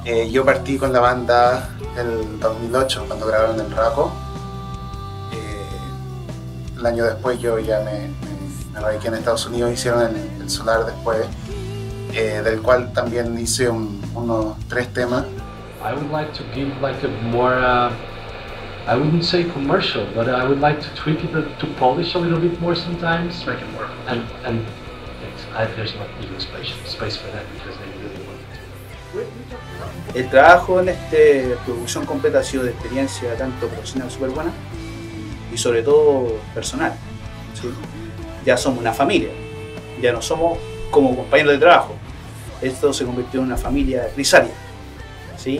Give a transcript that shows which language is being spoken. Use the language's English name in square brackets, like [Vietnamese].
[Spanish] Yo partí con la banda el 2008 cuando grabaron el Raco. El año después yo ya me radiqué en Estados Unidos, hicieron el Solar después, del cual también hice unos tres temas. [English] I would like to give like a more I wouldn't say commercial, but I would like to tweak it to polish a little bit more sometimes. Make it more fun. And there's not even space for that because they really want it. [Spanish] El trabajo en esta producción completa ha sido de experiencia tanto profesional súper buena y sobre todo personal. ¿Sí? Ya somos una familia, ya no somos como compañeros de trabajo. Esto se convirtió en una familia grisaria, ¿sí?